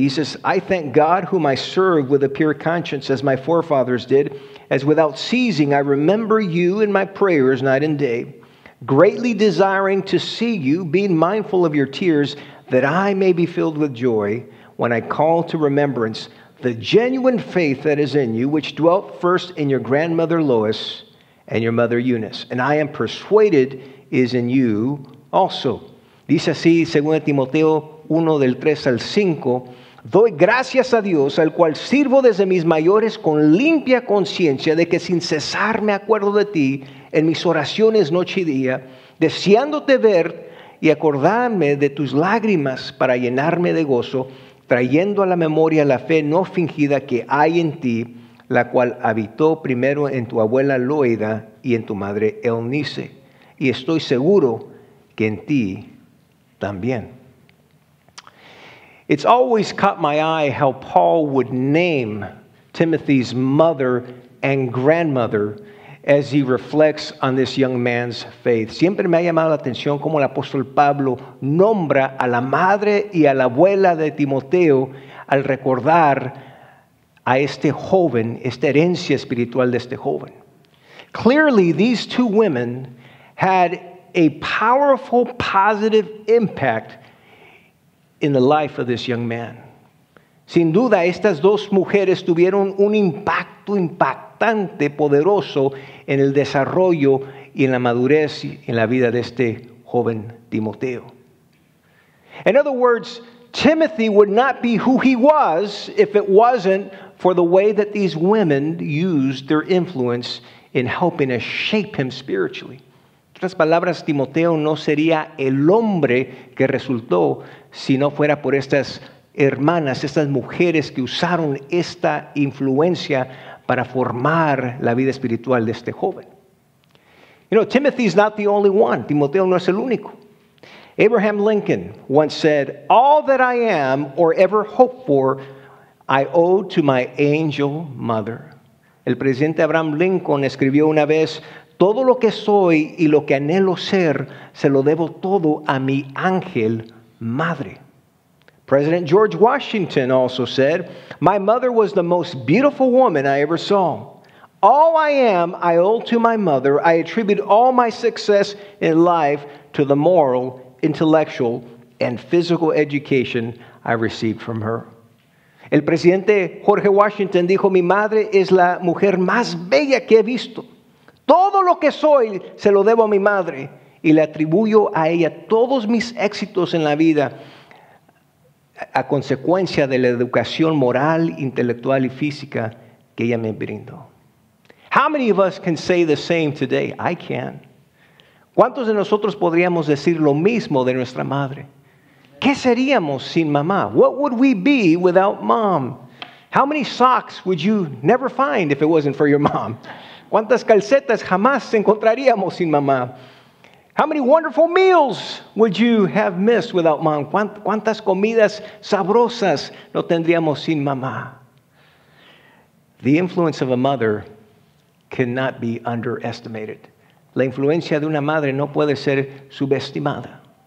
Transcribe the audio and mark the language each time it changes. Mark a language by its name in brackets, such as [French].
[English] He says, I thank God, whom I serve with a pure conscience as my forefathers did, as without ceasing I remember you in my prayers night and day, greatly desiring to see you, being mindful of your tears, that I may be filled with joy when I call to remembrance the genuine faith that is in you, which dwelt first in your grandmother Lois and your mother Eunice, and I am persuaded is in you also. [Spanish] Dice así, según Timoteo 1, del 3 al 5, doy gracias a Dios, al cual sirvo desde mis mayores con limpia conciencia, de que sin cesar me acuerdo de ti en mis oraciones noche y día, deseándote ver y acordarme de tus lágrimas para llenarme de gozo, trayendo a la memoria la fe no fingida que hay en ti, la cual habitó primero en tu abuela Loida y en tu madre Eunice, y estoy seguro que en ti también. [English] It's always caught my eye how Paul would name Timothy's mother and grandmother as he reflects on this young man's faith. [Spanish] Siempre me ha llamado la atención cómo el apóstol Pablo nombra a la madre y a la abuela de Timoteo al recordar a este joven, esta herencia espiritual de este joven. [English] Clearly, these two women had a powerful, positive impact in the life of this young man. [Spanish] Sin duda, estas dos mujeres tuvieron un impacto impactante, poderoso, en el desarrollo y en la madurez en la vida de este joven Timoteo. [English] In other words, Timothy would not be who he was if it wasn't for the way that these women used their influence in helping to shape him spiritually. [Spanish] En otras palabras, Timoteo no sería el hombre que resultó si no fuera por estas hermanas, estas mujeres que usaron esta influencia para formar la vida espiritual de este joven. [English] You know, Timothy is not the only one. [Spanish] Timoteo no es el único. [English] Abraham Lincoln once said, "All that I am or ever hope for, I owe to my angel mother." [Spanish] El presidente Abraham Lincoln escribió una vez, "Todo lo que soy y lo que anhelo ser, se lo debo todo a mi ángel madre." [English] President George Washington also said, "My mother was the most beautiful woman I ever saw. All I am, I owe to my mother. I attribute all my success in life to the moral, intellectual, and physical education I received from her." [Spanish] El presidente George Washington dijo, "Mi madre es la mujer más bella que he visto. Todo lo que soy se lo debo a mi madre y le atribuyo a ella todos mis éxitos en la vida a consecuencia de la educación moral, intelectual y física que ella me brindó." [English] How many of us can say the same today? I can. [Spanish] ¿Cuántos de nosotros podríamos decir lo mismo de nuestra madre? ¿Qué seríamos sin mamá? [English] What would we be without mom? How many socks would you never find if it wasn't for your mom? [Spanish] ¿Cuántas calcetas jamás encontraríamos sin mamá? [English] How many wonderful meals would you have missed without mom? [Spanish] ¿Cuántas comidas sabrosas no tendríamos sin mamá? [English] The influence of a mother cannot be underestimated. [Spanish] La influencia de una madre no puede ser subestimada.